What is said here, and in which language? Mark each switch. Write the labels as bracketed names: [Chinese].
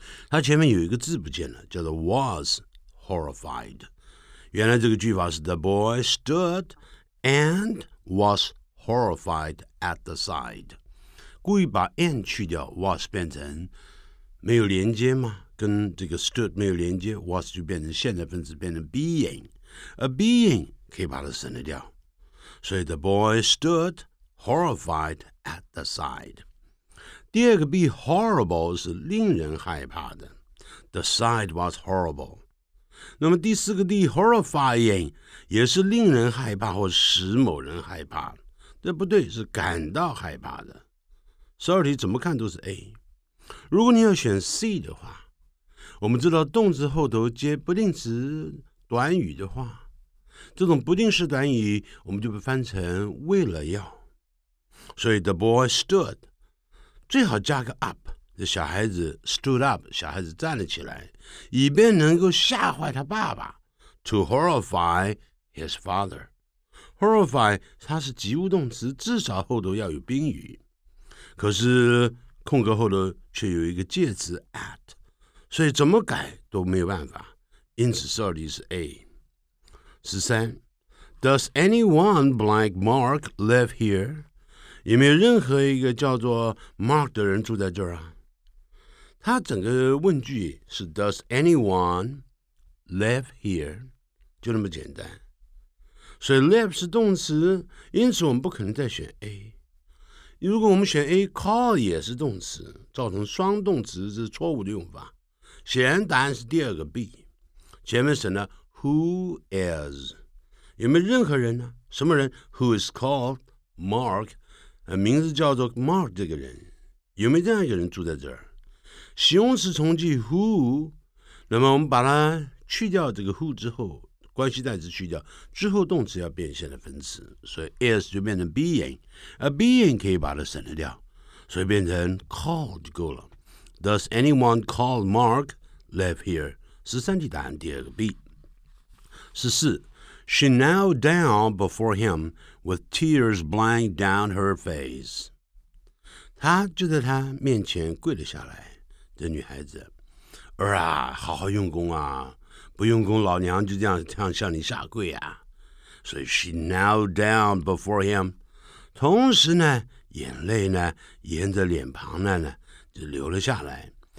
[Chinese] 他前面有一个字不见了，叫做 [English] was horrified， [Chinese] 原来这个句法是 [English] the boy stood and was horrified at the side， [Chinese] 故意把 and 去掉， was 变成没有连接吗，跟这个 stood 没有连接， was 就变成现在分词，变成 being， a being 可以把它省得掉，所以 [English] the boy stood horrified at the side。 [Chinese] 第二个 be horrible 是令人害怕的， [English] The sight was horrible。 [Chinese] 那么第四个 be horrifying 也是令人害怕或使某人害怕，这不对，是感到害怕的。十二题怎么看都是 A， 如果你要选 C 的话，我们知道动词后头接不定式短语的话，这种不定式短语我们就会翻成为了要，所以 [English] the boy stood [Chinese] 最好加个 up， 这小孩子 stood up， 小孩子站了起来，以便能够吓坏他爸爸， [English] to horrify his father。 [Chinese] horrify 它是及物动词，至少后头要有宾语，可是空格后头却有一个介词 at， 所以怎么改都没有办法，因此设立是 A。 [English] 13 Does anyone blank Mark live here？ [Chinese] 有没有任何一个叫做 Mark 的人住在这儿啊？他整个问句是 [English] Does anyone live here？ [Chinese] 就那么简单。所以 live 是动词，因此我们不可能再选 A。如果我们选 A， call 也是动词，造成双动词是错误的用法。显然答案是第二个 B。前面省了 who is， 有没有任何人呢？什么人 [English] ？Who is called Mark？ [Chinese] 名字叫做 Mark 这个人，有没有这样一个人住在这儿？形容词从句 who， 那么我们把它去掉这个 who 之后，关系代词去掉之后，动词要变现的分词，所以 is 就变成 being， 而 being 可以把它省得掉，所以变成 call 就够了。 [English] Does anyone call Mark live here？ [Chinese] 13题答案第二个 B。 [English] 14 She knelt down before him。 With tears blank down her face， [Chinese] 她就在他面前跪了下来。这女孩子，儿啊，好好用功啊！不用功，老娘就这样向你下跪啊！所以 [English] she knelt down before him， [Chinese] 同时呢，眼泪呢，沿着脸庞呢，就流了下来。